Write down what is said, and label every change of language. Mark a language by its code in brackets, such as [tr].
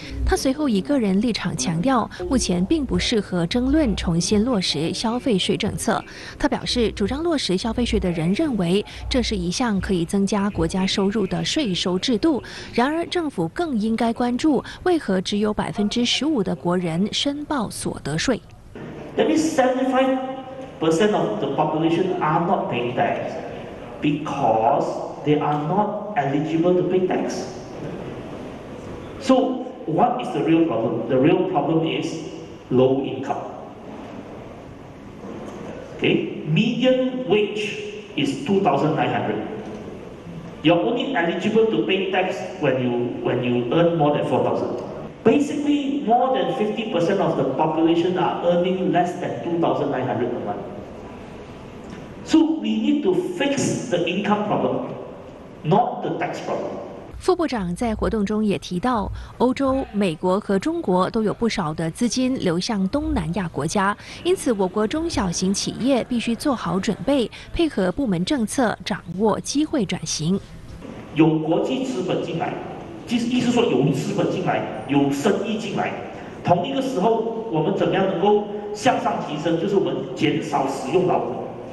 [zh] 他随后以个人立场强调，目前并不适合争论重新落实消费税政策。他表示，主张落实消费税的人认为这是一项可以增加国家收入的税收制度。然而，政府更应该关注为何只有15%的国人申报所得税。 [en] That means 75% of the population are not paying tax because they are not eligible to pay tax. So what is the real problem? The real problem is low income. Okay, median wage is 2,900. You're only eligible to pay tax when you earn more than 4,000. Basically, more than 50% of the population are earning less than 2,900 a month. So we need to fix the income problem, not the tax problem. [zh] 副部长在活动中也提到，欧洲、美国和中国都有不少的资金流向东南亚国家，因此我国中小型企业必须做好准备，配合部门政策，掌握机会转型。有国际资本进来，其实意思说有资本进来，有生意进来，同一个时候我们怎么样能够向上提升，就是我们减少使用劳工。